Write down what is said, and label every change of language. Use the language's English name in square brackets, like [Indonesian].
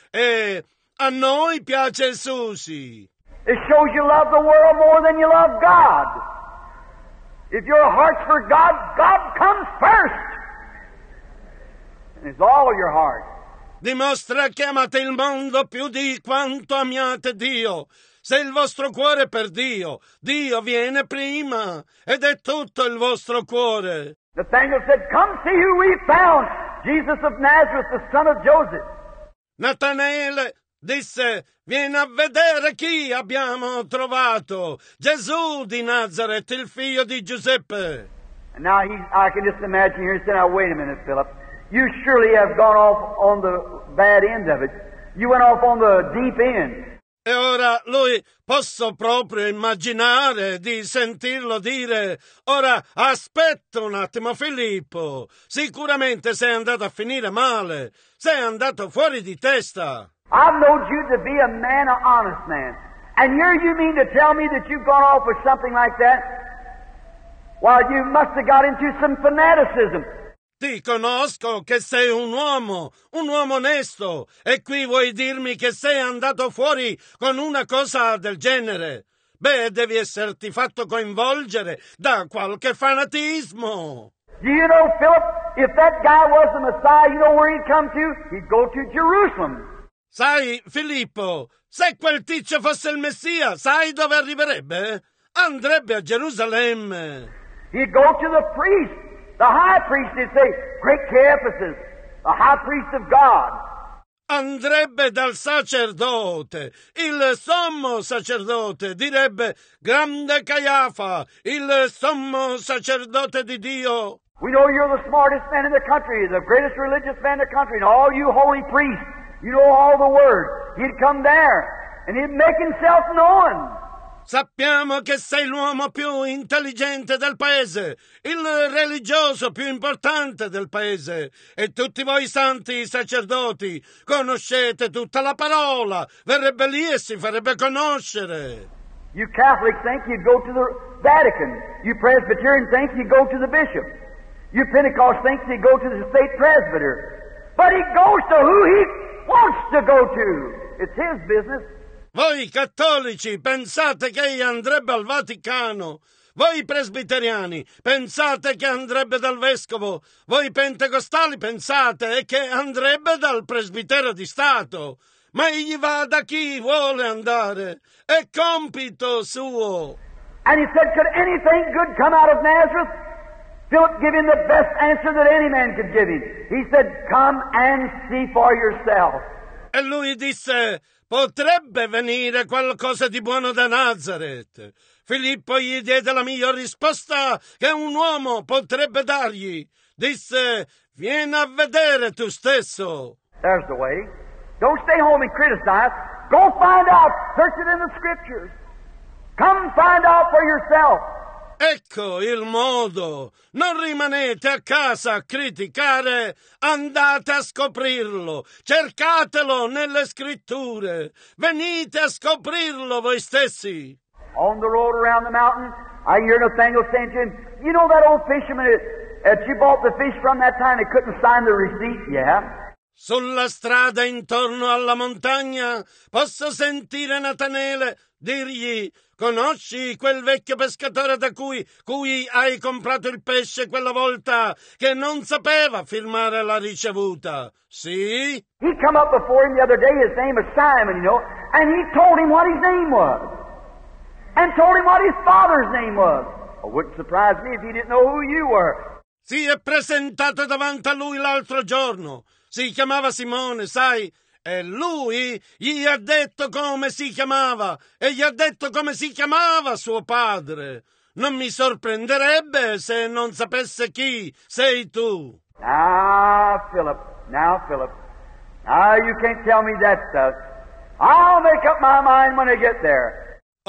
[Italian] E a noi piace Susie. [English] It shows you love the world more than you love God. If your heart's for God, God comes first. And it's all your heart. [Italian] Dimostra che amate il mondo più di quanto amiate Dio. Se il vostro cuore è per Dio, Dio viene prima ed è tutto il vostro cuore. [English] Nathanael said, "Come see who we found, Jesus of Nazareth, the son of Joseph." [Italian] Natanaele disse, "Vieni a vedere chi abbiamo trovato, Gesù di Nazareth, il figlio di Giuseppe." [English] And now I can just imagine here, he said, "Now wait a minute, Philip. You surely have gone off on the bad end of it. You went off on the deep end." [Italian] E ora lui, posso proprio immaginare di sentirlo dire, "Ora aspetta un attimo, Filippo. Sicuramente sei andato a finire male. Sei andato fuori di testa." [English] "I've known you to be a man, an honest man. And here you mean to tell me that you've gone off with something like that? Well, you must have got into some fanaticism." [Italian] "Ti conosco che sei un uomo onesto, e qui vuoi dirmi che sei andato fuori con una cosa del genere. Beh, devi esserti fatto coinvolgere da qualche fanatismo." [English] "Do you know, Philip, if that guy was the Messiah, you know where he'd come to? He'd go to Jerusalem." [Italian] "Sai, Filippo, se quel tizio fosse il Messia, sai dove arriverebbe? Andrebbe a Gerusalemme." [English] "He'd go to the priest. The high priest, they say, great Caiaphas, the high priest of God." [Italian] "Andrebbe dal sacerdote, il sommo sacerdote, direbbe, grande Caiafa, il sommo sacerdote di Dio." [English] "We know you're the smartest man in the country, the greatest religious man in the country, and all you holy priests, you know all the words. He'd come there, and he'd make himself known." [Italian] "Sappiamo che sei l'uomo più intelligente del paese, il religioso più importante del paese, e tutti voi santi sacerdoti conoscete tutta la parola, verrebbe lì e si farebbe conoscere." [English] "You Catholics think you'd go to the Vatican. You Presbyterians think you'd go to the bishop. You Pentecost think you'd go to the state presbyter. But he goes to who he wants to go to. It's his business." [Italian] "Voi cattolici pensate che egli andrebbe al Vaticano, voi presbiteriani pensate che andrebbe dal vescovo, voi pentecostali pensate che andrebbe dal presbitero di Stato, ma egli va da chi vuole andare, è compito suo." [English] "And he said, could anything good come out of Nazareth? Philip gave him the best answer that any man could give him. He said, come and see for yourself." [Italian] E lui disse, "Potrebbe venire qualcosa di buono da Nazareth." Filippo gli diede la migliore risposta che un uomo potrebbe dargli. Disse, "Vieni a vedere tu stesso." [English] There's the way. Don't stay home and criticize. Go find out. Search it in the scriptures. Come find out for yourself. [Italian] Ecco il modo. Non rimanete a casa a criticare, andate a scoprirlo, cercatelo nelle scritture, venite a scoprirlo voi stessi. [English] On the road around the mountain, I hear Nathanael saying to him, "You know that old fisherman that you bought the fish from that time, he couldn't sign the receipt, yeah?" [Italian] Sulla strada intorno alla montagna posso sentire Natanele dirgli, "Conosci quel vecchio pescatore da cui hai comprato il pesce quella volta che non sapeva firmare la ricevuta?" "Sì." [English] "He came up before him the other day, his name is Simon, you know, and he told him what his name was. And told him what his father's name was. It wouldn't surprise me if he didn't know who you were. [Italian] Si è presentato davanti a lui l'altro giorno. Si chiamava Simone, sai? E lui gli ha detto come si chiamava. E gli ha detto come si chiamava suo padre. Non mi sorprenderebbe se non sapesse chi sei tu. [English] Now, Philip. Now you can't tell me that stuff. I'll make up my mind when I get there.